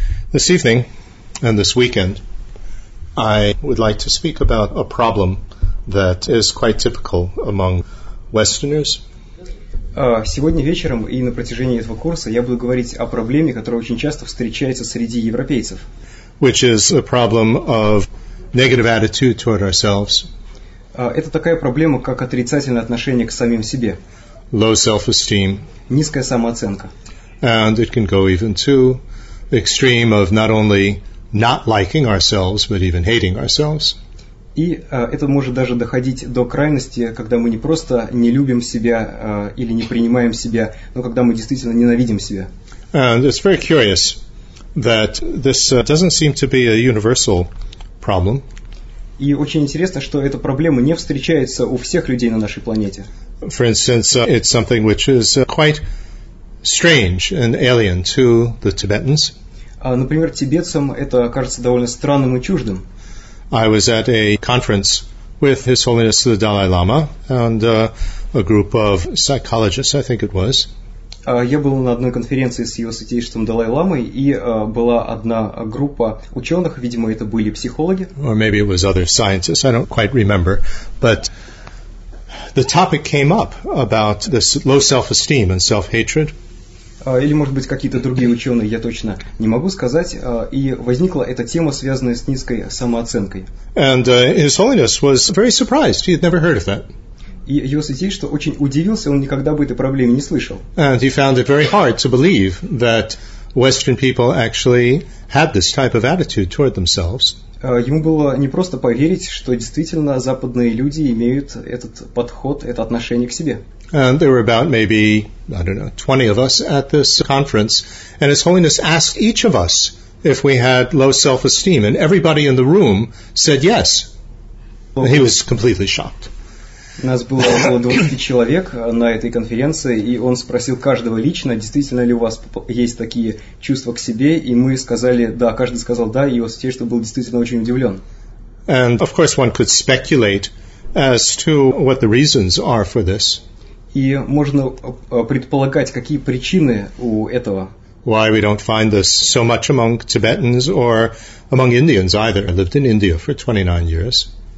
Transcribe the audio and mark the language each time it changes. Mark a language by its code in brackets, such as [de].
[en] This evening and this weekend, I would like to speak about a problem that is quite typical among Westerners. [ru] Сегодня вечером и на протяжении этого курса я буду говорить о проблеме, которая очень часто встречается среди европейцев. [en] Which is a problem of negative attitude toward ourselves. [ru] Это такая проблема, как отрицательное отношение к самим себе. [en] Low self-esteem. [ru] Низкая самооценка. [en] And it can go even to extreme of not only not liking ourselves, but even hating ourselves. [ru] И это может даже доходить до крайности, когда мы не просто не любим себя или не принимаем себя, но когда мы действительно ненавидим себя. [en] And it's very curious that this doesn't seem to be a universal problem. [ru] И очень интересно, что эта проблема не встречается у всех людей на нашей планете. [en] For instance, it's something which is quite strange and alien to the Tibetans. [ru] Например, тибетцам это кажется довольно странным и чуждым. [en] I was at a conference with His Holiness the Dalai Lama and a group of psychologists, I think it was. [ru] Я был на одной конференции с Его Святейшеством Далай Ламой, и была одна группа ученых, видимо, это были психологи. [en] Or maybe it was other scientists, I don't quite remember. But the topic came up about this low self-esteem and self-hatred. [ru] Или, может быть, какие-то другие ученые, я точно не могу сказать. И возникла эта тема, связанная с низкой самооценкой. [en] And His Holiness was very surprised. He had never heard of that. [ru] И Его Святейшество очень удивился, он никогда бы этой проблеме не слышал. [en] And he found it very hard to believe that Western people actually had this type of attitude toward themselves. [ru] Ему было непросто поверить, что действительно западные люди имеют этот подход, это отношение к себе. [en] And there were about maybe, I don't know, 20 of us at this conference, and His Holiness asked each of us if we had low self-esteem, and everybody in the room said yes. And he was completely shocked. [ru] У нас было около 20 человек на этой конференции, и он спросил каждого лично, действительно ли у вас есть такие чувства к себе, и мы сказали «да», каждый сказал «да», и вот те, что был действительно очень удивлен. [en] And of course one could speculate as to what the reasons are for this. [ru] И можно предполагать, какие причины у этого. [en] Why we don't find this so much among Tibetans or among Indians either. I lived in India for 29 years.